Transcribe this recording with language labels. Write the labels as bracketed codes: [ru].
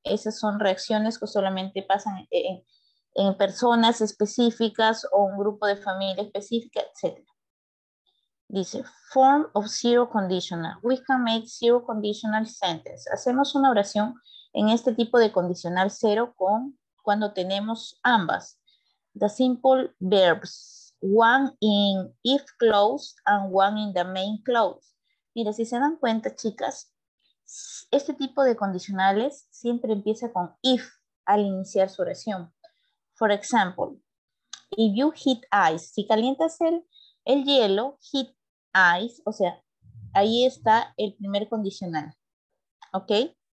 [es] Esas son reacciones que solamente pasan en personas específicas o un grupo de familia específica, etc. [en] Dice, form of zero conditional. We can make zero conditional sentence. [es] Hacemos una oración en este tipo de condicional cero con cuando tenemos ambas. [en] The simple verbs. One in if clause and one in the main clause. [es] Mira, si se dan cuenta, chicas, este tipo de condicionales siempre empieza con if al iniciar su oración. [en] For example, if you heat ice, [es] si calientas el hielo, [en] heat ice, [es] o sea, ahí está el primer condicional. ¿Ok?